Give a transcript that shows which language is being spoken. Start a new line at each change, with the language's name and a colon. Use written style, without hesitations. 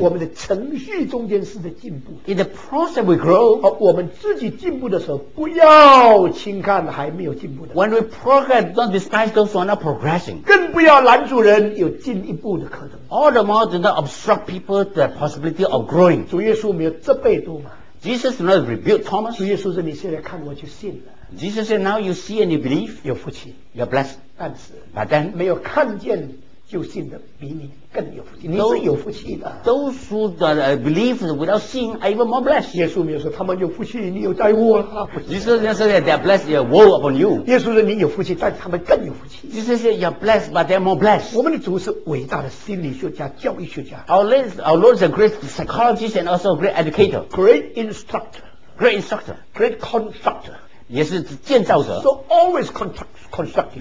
Chinese: 我们的程序中间是在进步。
English: In the process we grow。
Chinese: 而我们自己进步的时候，不要轻看还没有进步的。
English: When we progress, don't despise those who are not progressing。
Chinese: 更不要拦阻人有进一步的可能。
English: All the more do not obstruct people the possibility of growing.
Chinese: 主耶稣没有责备多马。
English: Jesus did not rebuke Thomas.
Chinese: 主耶稣说：“你现在看我就信了。”
English: Jesus said, "Now you see and you believe."
Chinese: 有福气。
English: You're blessed.
Chinese: 但是
English: ，But then
Chinese: 没有看见就信的比你更有福气。你是有福气的。
English: Those who that believe without seeing are even more blessed.
Chinese: 耶稣没有说他们有福气，你有灾祸了。
English: Jesus didn't say that they are blessed, they are woe upon you.
Chinese: 耶稣说你有福气，但他们更有福气。
English: Jesus said you are blessed, but they are more blessed.
Chinese: 我们的主是伟大的心理学家、教育学家。
English: Our Lord is a great psychologist and also a great educator. Great instructor. Great instructor. Great constructor.
Chinese: 也是建造者。
English: So always constructive.